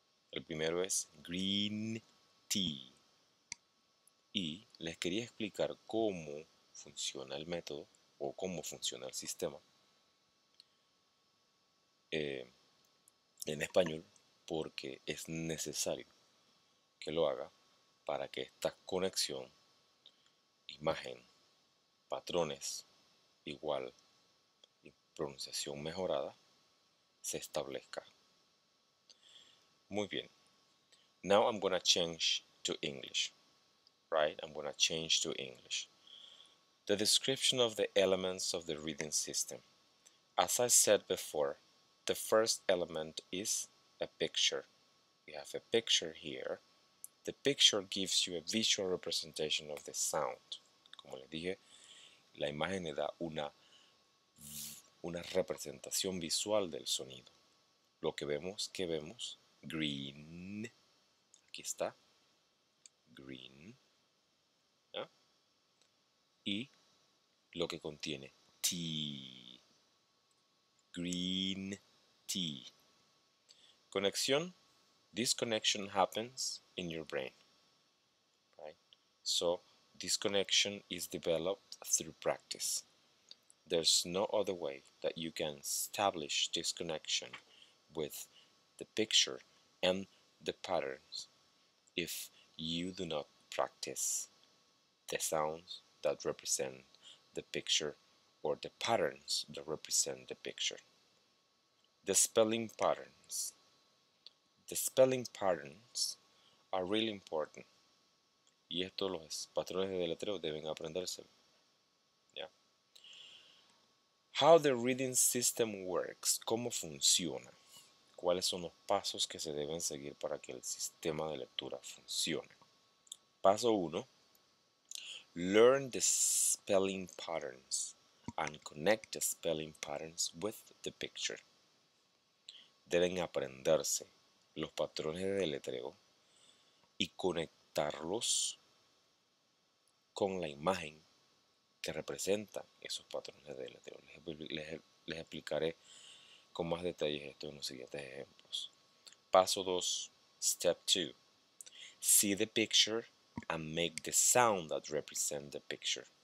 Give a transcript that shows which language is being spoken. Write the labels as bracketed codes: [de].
[es] El primero es green tea. Y les quería explicar cómo funciona el método o cómo funciona el sistema en español, porque es necesario que lo haga para que esta conexión imagen patrones igual y pronunciación mejorada se establezca. Muy bien. [en] Now I'm gonna change to English, right? I'm gonna change to English. The description of the elements of the reading system. As I said before, the first element is a picture. We have a picture here. The picture gives you a visual representation of the sound. [es] Como les dije, la imagen le da una representación visual del sonido. Lo que vemos, ¿qué vemos? Green. Aquí está. Green. ¿Ya? Y lo que contiene T. [en] Green. Conexión, this connection happens in your brain, right? So this connection is developed through practice. There's no other way that you can establish this connection with the picture and the patterns if you do not practice the sounds that represent the picture or the patterns that represent the picture. The spelling patterns. The spelling patterns are really important. [es] Y esto los patrones de deletreo deben aprendérselo. [en] How the reading system works. [es] ¿Cómo funciona? ¿Cuáles son los pasos que se deben seguir para que el sistema de lectura funcione? Paso 1. [en] Learn the spelling patterns and connect the spelling patterns with the picture. [es] Deben aprenderse los patrones de deletreo y conectarlos con la imagen que representa esos patrones de deletreo. Les explicaré con más detalles esto en los siguientes ejemplos. Paso 2, [en] step 2. See the picture and make the sound that represents the picture.